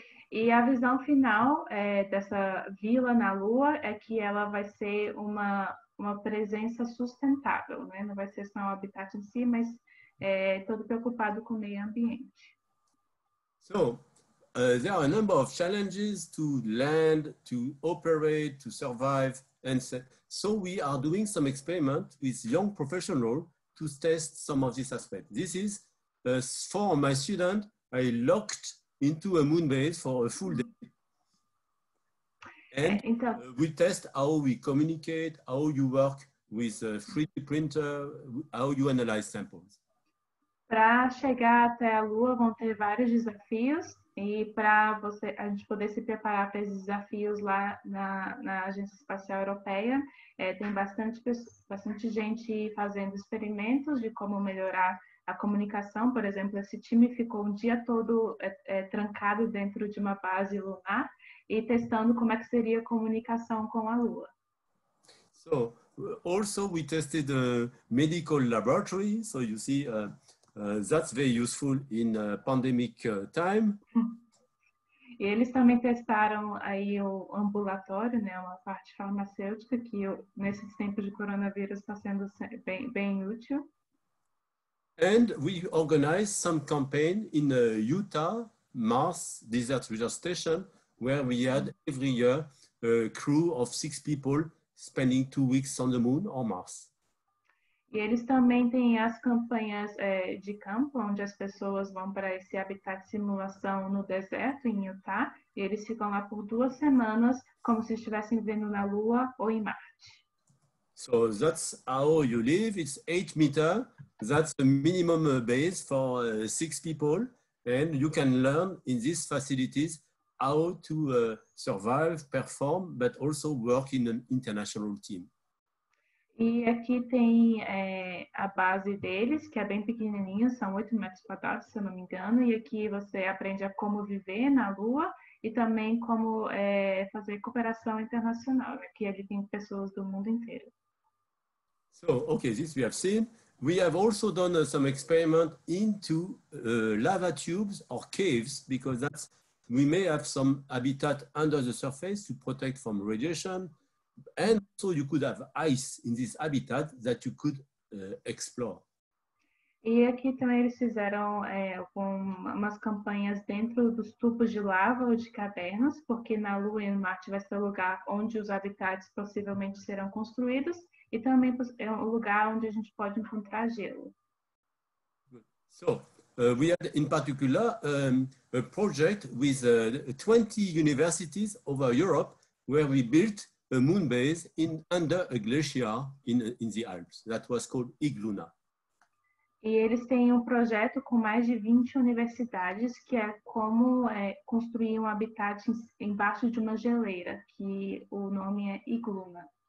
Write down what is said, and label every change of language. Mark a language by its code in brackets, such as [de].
[pt] E a visão final dessa vila na Lua é que ela vai ser uma presença sustentável, né? Não vai ser só um habitat em si, mas todo preocupado com o meio ambiente. [en] So, there are a number of challenges to land, to operate, to survive. And so we are doing some experiment with young professionals to test some of this aspect. This is for my student, I locked into a moon base for a full day. And we test how we communicate, how you work with a 3D printer, how you analyze samples. [pt] Para chegar até a Lua vão ter vários desafios, e para você a gente poder se preparar para esses desafios lá na Agência Espacial Europeia, tem bastante gente fazendo experimentos de como melhorar a comunicação. Por exemplo, esse time ficou um dia todo trancado dentro de uma base lunar e testando como é que seria a comunicação com a Lua. [en] So, also we tested the medical laboratory, so you see that's very useful in pandemic time. [pt] E eles também testaram aí o ambulatório, né, uma parte farmacêutica que nesses tempos de coronavírus está sendo bem útil. [en] And we organized some campaign in Utah, Mars Desert Research Station, where we had every year a crew of 6 people spending 2 weeks on the moon or Mars. [pt] E eles também têm as campanhas de campo, onde as pessoas vão para esse habitat de simulação no deserto, em Utah, e eles ficam lá por 2 semanas, como se estivessem vivendo na Lua ou em Marte. [en] So that's how you live, it's 8 meters, that's the minimum base for 6 people, and you can learn in these facilities how to survive, perform, but also work in an international team. [pt] E aqui tem é, a base deles, que é bem pequenininha, são 8 metros quadrados, se eu não me engano. E aqui você aprende a como viver na Lua e também como é, fazer cooperação internacional. Aqui ele tem pessoas do mundo inteiro. [en] So, okay, this we have seen. We have also done some experiment into lava tubes or caves, because that's, we may have some habitat under the surface to protect from radiation. And so you could have ice in this habitat that you could explore. [pt] E aqui também eles fizeram é, algumas campanhas dentro dos tubos de lava ou de cavernas, porque na Lua e no Marte vai ser o lugar onde os habitats possivelmente serão construídos e também é um lugar onde a gente pode encontrar gelo. [en] So, we had in particular a project with 20 universities over Europe where we built a moon base in under a glacier in the Alps. That was called Igluna. [pt] E eles têm um projeto com mais de 20 universidades que é como é, construir um habitat embaixo de uma geleira, que o nome é Igluna.